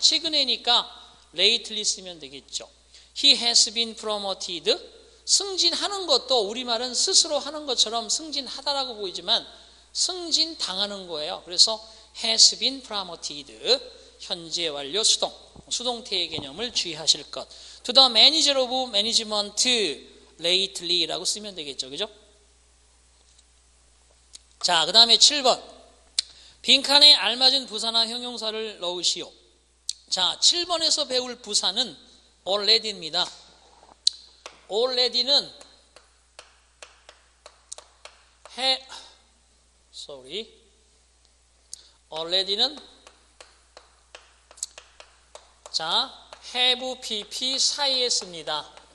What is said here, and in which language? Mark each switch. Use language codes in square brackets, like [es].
[ko] 최근에니까 lately 쓰면 되겠죠. [en] He has been promoted. [ko] 승진하는 것도 우리말은 스스로 하는 것처럼 승진하다라고 보이지만 승진당하는 거예요. 그래서 [en] has been promoted. [ko] 현재 완료 수동. 수동태의 개념을 주의하실 것. [en] To the manager of management lately [ko] 라고 쓰면 되겠죠. 그죠? 자, 그 다음에 7번. 빈칸에 알맞은 부사나 형용사를 넣으시오. 자, 7번에서 배울 부사는 already입니다. already는 have pp 사이에 씁니다.